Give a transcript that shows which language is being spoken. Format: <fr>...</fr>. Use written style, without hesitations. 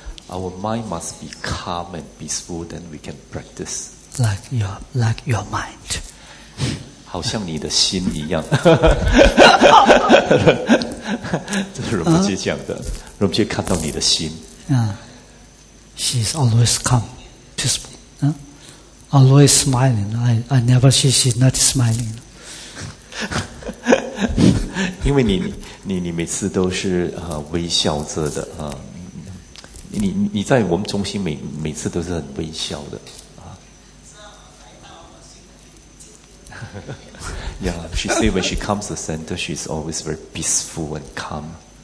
<en>Our mind must be calm and peaceful, then we can practice. Like your mind.</en> <zh>好像你的心一样。这是容姐讲的，容姐看到你的心。</zh> <en>She's always calm, peaceful. Always smiling. I never see she's not smiling.</en> <zh>因为你每次都是微笑着的啊。你在我们中心每次都是很微笑的啊。</zh> <en>Yeah, she say when she comes to center, she's always very peaceful and calm.</en>